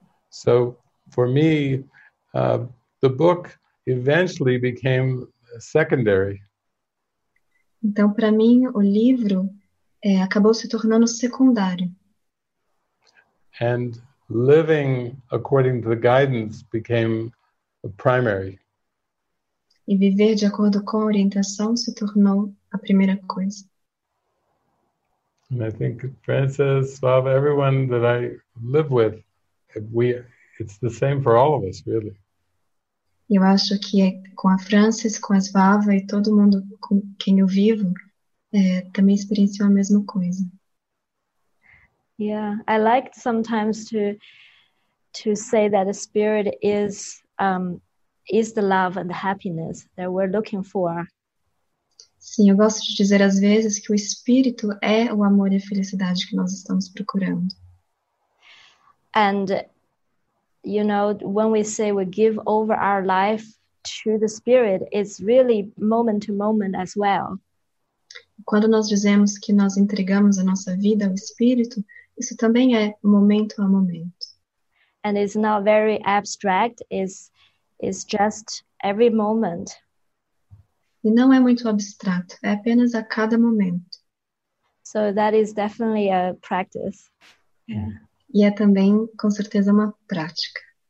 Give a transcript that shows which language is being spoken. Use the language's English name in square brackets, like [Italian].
[English] So, for me, the book eventually became secondary. [Portuguese] Então, para mim, o livro acabou se tornando secundário. [English] And living according to the guidance became a primary. [Portuguese] E viver de acordo com a orientação se tornou a primeira coisa. [English] And I think Francis, Slava, everyone that I live with, it's the same for all of us, really. [Portuguese] Eu acho que com a Francis, com a Slava e todo mundo com quem eu vivo, também experienciou a mesma coisa. [English] Yeah, I like sometimes to say that the spirit is the love and the happiness that we're looking for. [Portuguese] Sim, eu gosto de dizer às vezes que o espírito é o amor e a felicidade que nós estamos procurando. [English] And, you know, when we say we give over our life to the spirit, it's really moment to moment as well. [Portuguese] Quando nós dizemos que nós entregamos a nossa vida ao espírito, isso também é momento a momento. [English] And it's not very abstract, it's just every moment. [Portuguese] E não é muito abstrato, é apenas a cada momento. [English] So that is definitely a practice. [Portuguese] Yeah. E é também, com certeza, uma prática.